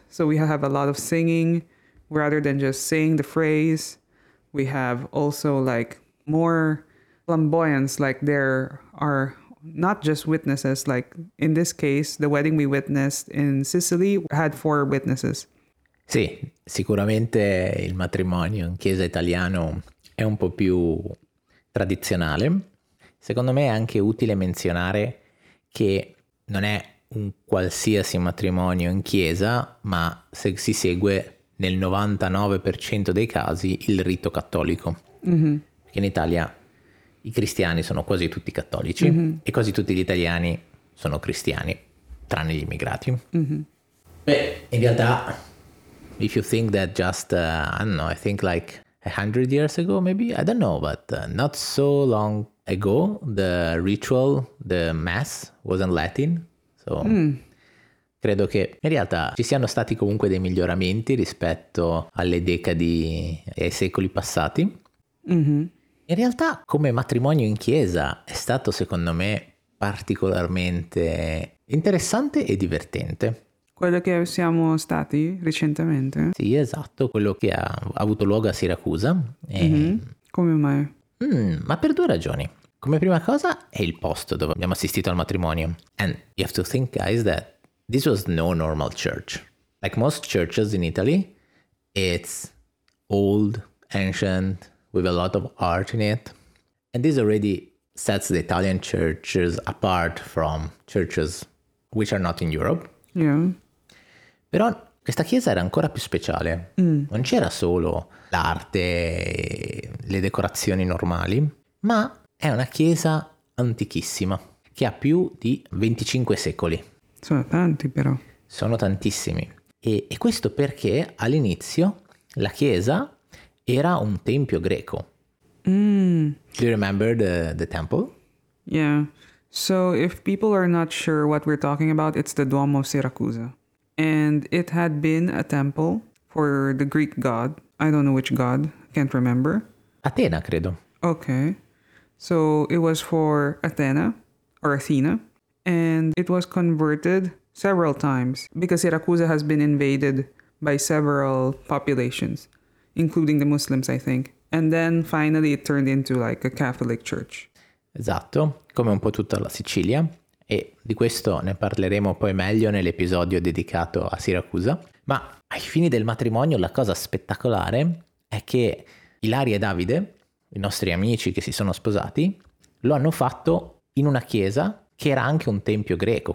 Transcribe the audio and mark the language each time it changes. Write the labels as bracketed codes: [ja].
[en] So we have a lot of singing rather than just saying the phrase. We have also like more flamboyance, like there are not just witnesses, like in this case, the wedding we witnessed in Sicily had 4 witnesses. [it] Sì, sicuramente il matrimonio in chiesa italiano è un po' più tradizionale. Secondo me è anche utile menzionare che non è un qualsiasi matrimonio in chiesa, ma se si segue nel 99% dei casi il rito cattolico. Mm-hmm. Perché in Italia i cristiani sono quasi tutti cattolici, mm-hmm, e quasi tutti gli italiani sono cristiani, tranne gli immigrati. Mm-hmm. Beh, in realtà, [en] if you think that just, I don't know, I think like 100 years ago maybe, I don't know, but not so long ago, the ritual, the mass, was in Latin. So, [it] credo che in realtà ci siano stati comunque dei miglioramenti rispetto alle decadi e ai secoli passati. Mm-hmm. In realtà, come matrimonio in chiesa, è stato, secondo me, particolarmente interessante e divertente. Quello che siamo stati recentemente? Sì, esatto, quello che ha avuto luogo a Siracusa. E... Mm-hmm. Come mai? Ma per 2 ragioni. Come prima cosa, è il posto dove abbiamo assistito al matrimonio. [en] And you have to think, guys, that this was no normal church. Like most churches in Italy, it's old, ancient, with a lot of art in it. And this already sets the Italian churches apart from churches which are not in Europe. Yeah. [it] Però questa chiesa era ancora più speciale. Mm. Non c'era solo l'arte, le decorazioni normali, ma è una chiesa antichissima, che ha più di 25 secoli. Sono tanti però. Sono tantissimi. E questo perché all'inizio la chiesa era un tempio greco. Mm. [en] Do you remember the temple? Yeah. So if people are not sure what we're talking about, it's the Duomo of Syracuse. And it had been a temple for the Greek god. I don't know which god. Can't remember. [it] Athena, credo. [en] Okay. So it was for Athena or Athena. And it was converted several times because Syracuse has been invaded by several populations, including the Muslims, I think. And then finally it turned into like a Catholic church. [it] Esatto, come un po' tutta la Sicilia. E di questo ne parleremo poi meglio nell'episodio dedicato a Siracusa. Ma ai fini del matrimonio la cosa spettacolare è che Ilaria e Davide, i nostri amici che si sono sposati, lo hanno fatto in una chiesa che era anche un tempio greco.